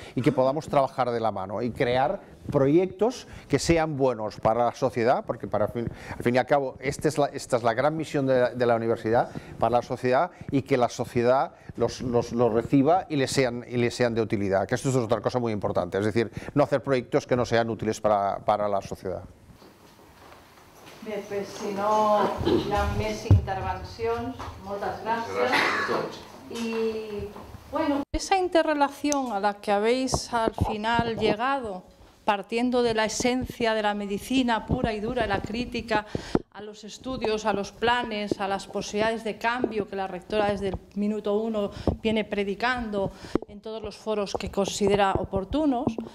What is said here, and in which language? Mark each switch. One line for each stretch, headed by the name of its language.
Spanish: y que podamos trabajar de la mano y crear proyectos que sean buenos para la sociedad, porque para al fin y al cabo esta es la gran misión de la universidad, para la sociedad, y que la sociedad los reciba y les sean de utilidad, que esto es otra cosa muy importante, es decir, no hacer proyectos que no sean útiles para la sociedad. Bien, pues
Catalan: si no hi ha més intervencions, moltes gràcies. Gràcies a tots. I,
Spanish: bueno, esa interrelación a la que habéis al final llegado, partiendo de la esencia de la medicina pura y dura, la crítica a los estudios, a los planes, a las posibilidades de cambio que la rectora desde el minuto uno viene predicando en todos los foros que considera oportunos.